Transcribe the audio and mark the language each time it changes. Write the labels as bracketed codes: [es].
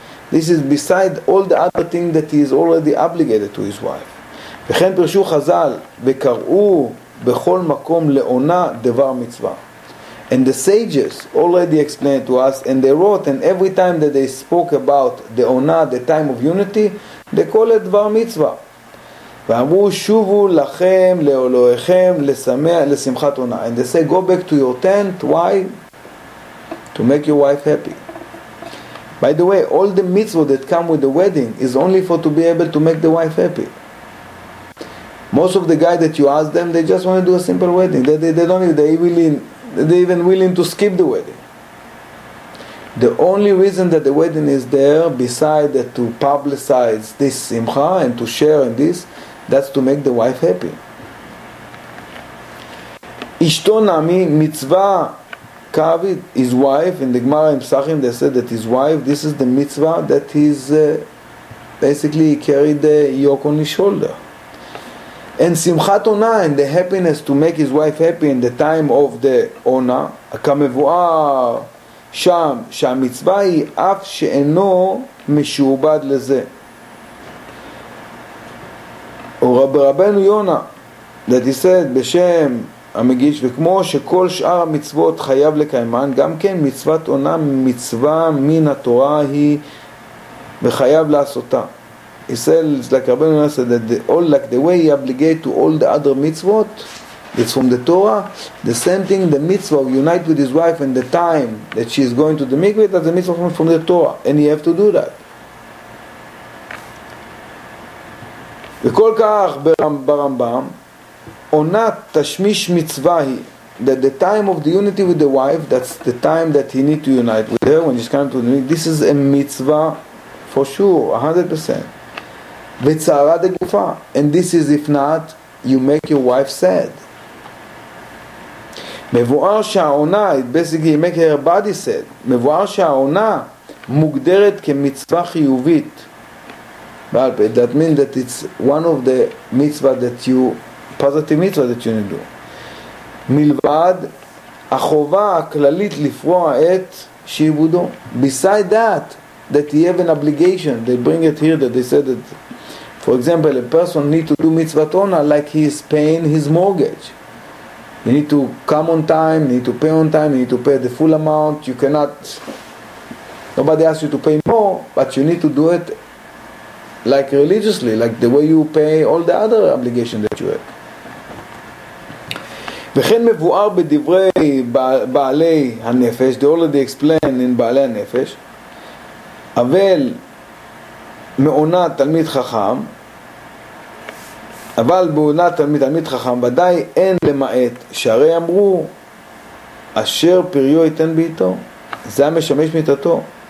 [en] This is beside all the other things that he is already obligated to his wife. [he] וכן פרשו חז"ל וקראו בכל מקום לעונה דבר מצווה. [en] And the sages already explained to us, and they wrote, and every time that they spoke about the onah, the time of unity, they call it [he] דבר מצווה. ואמרו שובו לכם לאלוהיכם לשמחת עונה. [en] And they say, go back to your tent. Why? To make your wife happy. By the way, all the mitzvot that come with the wedding is only for to be able to make the wife happy. Most of the guys that you ask them, they just want to do a simple wedding. They're even willing to skip the wedding. The only reason that the wedding is there, beside that to publicize this simcha and to share in this, that's to make the wife happy. [he] Ishto nami mitzvah kavid, [en] his wife, in the Gemara in Pesachim, they said that his wife, this is the mitzvah that he's basically carried the yoke on his shoulder. And simchat ona, and the happiness to make his wife happy in the time of the ona, [he] kamevuar sham, shamitzvah hi af she'eno meshubad leze. [en] Or Rabbeinu Yonah, that he said, [he] בשם המגיש, וכמו שכל שאר המצוות חייב לקיימן, גם כן מצוות עונה מצווה מן התורה היא וחייב לעשותה. [en] He said, like Rabbeinu Yonah said, that the, all, like the way he obligated to all the other mitzvot, it's from the Torah, the same thing, the mitzvah of unite with his wife and the time that she is going to the mikveh, that's the mitzvah from the Torah, and he have to do that. [he] וכל כך ברמב״ם עונה תשמיש מצווה היא, [en] that the time of the unity with the wife, that's the time that he need to unite with her when he's coming to the mikveh, this is a mitzvah for sure, 100%. [he] וצערה דגופה, [en] and this is if not, you make your wife sad. [he] מבואר שהעונה, [en] it basically make her body sad. [he] מבואר שהעונה מוגדרת כמצווה חיובית. [en] But that means that it's one of the mitzvah that you, positive mitzvah that you need to do. [he] מלבד החובה הכללית לפרוע את שעבודו. [en] Beside that, that he have an obligation, they bring it here that they said that, for example, a person need to do mitzvah tona like he is paying his mortgage. You need to come on time, you need to pay on time, you need to pay the full amount, you cannot, nobody asks you to pay more, but you need to do it like religiously, like the way you pay all the other obligations that you have. [he] וכן מבואר בדברי בעלי הנפש, [en] they already explained in בעלי הנפש, [he] אבל מעונת תלמיד חכם, אבל מעונת תלמיד חכם, ודאי אין למעט, שהרי אמרו, אשר פריו ייתן ביתו, זה המשמש מיתתו.